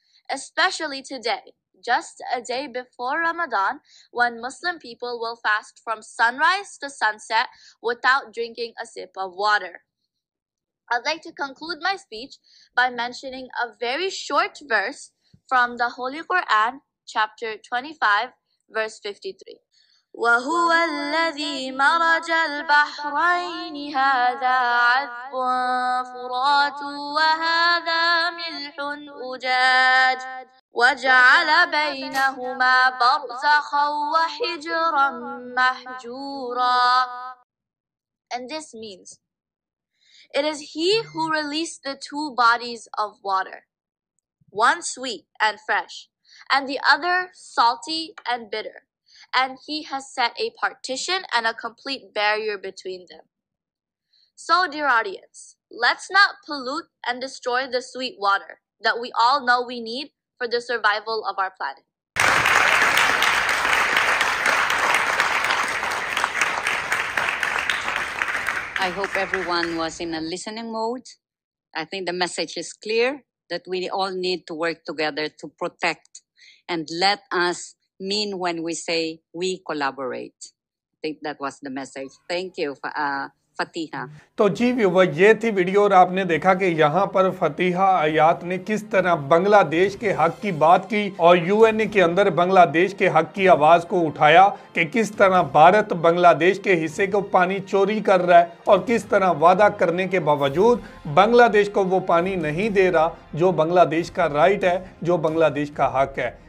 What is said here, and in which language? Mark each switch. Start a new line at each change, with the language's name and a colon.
English: Especially today, just a day before Ramadan, when Muslim people will fast from sunrise to sunset without drinking a sip of water. I'd like to conclude my speech by mentioning a very short verse from the Holy Quran, chapter 25, verse 53.
Arabic: وهو الذي مرج البحرين هذا عذب فرات وهذا ملح أجاج وجعل بينهما برزخا وحجرا محجورا.
English: And this means, it is he who released the two bodies of water, one sweet and fresh, and the other salty and bitter. And he has set a partition and a complete barrier between them. So, dear audience, let's not pollute and destroy the sweet water that we all know we need for the survival of our planet. I hope everyone was in a listening mode. I think the message is clear that we all need to work together to protect and let us mean when we say we collaborate. I think that was the message. Thank you, Fatiha.
Hindi: तो जी viewer, ये थी video और आपने देखा कि यहाँ पर फतीहा आयात ने किस तरह बांग्लादेश के हक की बात की और यूएनए के अंदर बांग्लादेश के हक की आवाज को उठाया कि किस तरह भारत बांग्लादेश के हिस्से को पानी चोरी कर रहा है और किस तरह वादा करने के बावजूद बांग्लादेश को वो पानी नहीं दे रहा जो बांग्लादेश का राइट है, जो बांग्लादेश का हक है।